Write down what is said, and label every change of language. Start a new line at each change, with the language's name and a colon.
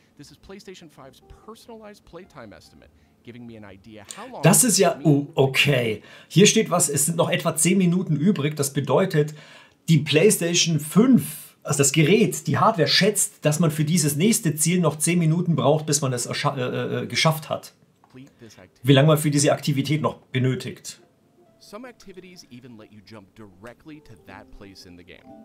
English: This is PlayStation 5's personalized playtime estimate, giving me an idea how long.
German: Das ist ja okay. Hier steht was, es sind noch etwa 10 Minuten übrig. Das bedeutet, die PlayStation 5, also das Gerät, die Hardware schätzt, dass man für dieses nächste Ziel noch 10 Minuten braucht, bis man es geschafft hat. Wie lange man für diese Aktivität noch benötigt.
English: Some activities even let you jump directly to that place in the game.